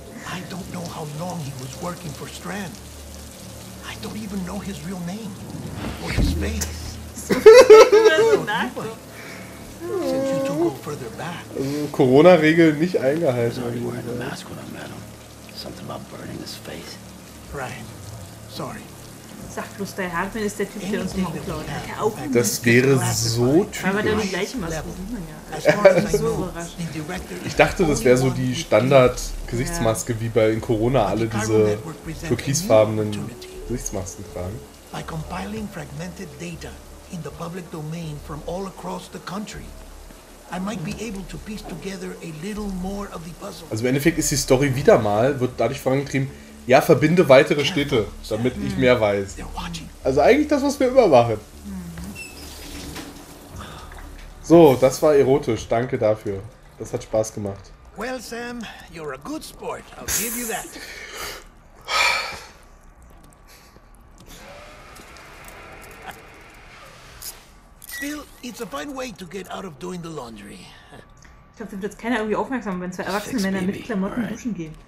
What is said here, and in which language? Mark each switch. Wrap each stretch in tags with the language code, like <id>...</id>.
<en>I don't know how long he was working for Strand. I don't even know his real name or his face. Since you two go further back.</en> <de>Corona-Regeln nicht eingehalten.</de> <en>Sorry, wearing a mask when I met him. Something about burning his face. Right. Sorry.</en> <de>Sag bloß, der Hartmann ist der Typ, der uns immer klaut. Das wäre so typisch. Aber dann die gleiche Maske. Ja. Ich dachte, das wäre so die Standard-Gesichtsmaske, wie bei in Corona alle diese türkisfarbenen Gesichtsmasken tragen.</de> <en>By compiling fragmented data in the public domain from all across the country, I might be able to piece together a little more of the puzzle.</en> <de>Also im Endeffekt ist die Story wieder mal, wird dadurch vorangetrieben, ja, verbinde weitere Städte, damit ich mehr weiß. Also eigentlich das, was wir immer machen. So, das war erotisch. Danke dafür. Das hat Spaß gemacht.</de> <en>Well, Sam, you're a good sport. I'll give you that. Still, it's a fine way to get out of doing the laundry.</en> <de>Ich glaube, da wird jetzt keiner irgendwie aufmerksam, wenn zwei erwachsene Männer mit Klamotten duschen gehen.</de>